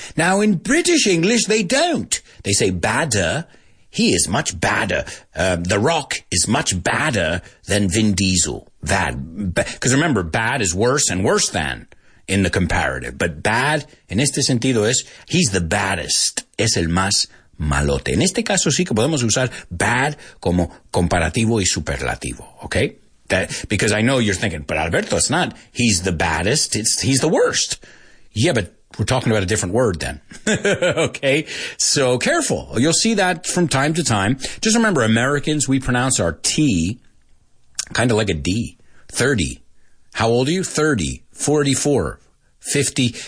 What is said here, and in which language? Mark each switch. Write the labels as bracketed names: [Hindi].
[English] Now, in British English, they don't. They say batter. He is much badder. The Rock is much badder than Vin Diesel. That, because remember, bad is worse and worse than in the comparative. But bad, [Spanish] en este sentido, es, [English] he's the baddest. [Spanish] Es el más malote. En este caso, sí que podemos usar bad como comparativo y superlativo. [English] Okay? That, because I know you're thinking, but Alberto, it's not, he's the baddest. It's, he's the worst. Yeah, but we're talking about a different word then. Okay? So careful. You'll see that from time to time. Just remember, Americans, we pronounce our T kind of like a D. 30. How old are you? 30. 44. 50.